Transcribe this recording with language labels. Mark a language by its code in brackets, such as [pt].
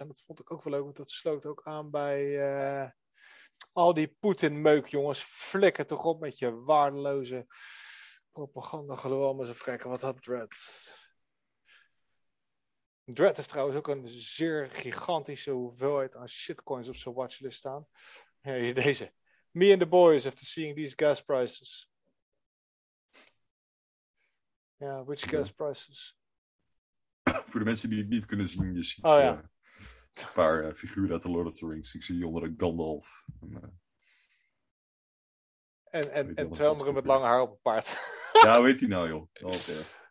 [nl] En dat vond ik ook wel leuk, want dat sloot ook aan bij al die Poetin-meuk, jongens. Flikker toch op met je waardeloze propaganda. Geloof maar eens even kijken, wat had Dread? Dread heeft trouwens ook een zeer gigantische hoeveelheid aan shitcoins op zijn watchlist staan. Ja, deze. [en] Me and the boys after seeing these gas prices. Ja, which gas prices? [nl] Voor de mensen die het niet kunnen zien, je ziet een paar figuren uit The Lord of the Rings. Ik zie onder een Gandalf. En Twelmeren met lange haar op een paard. Ja, weet hij nou, joh. Okay.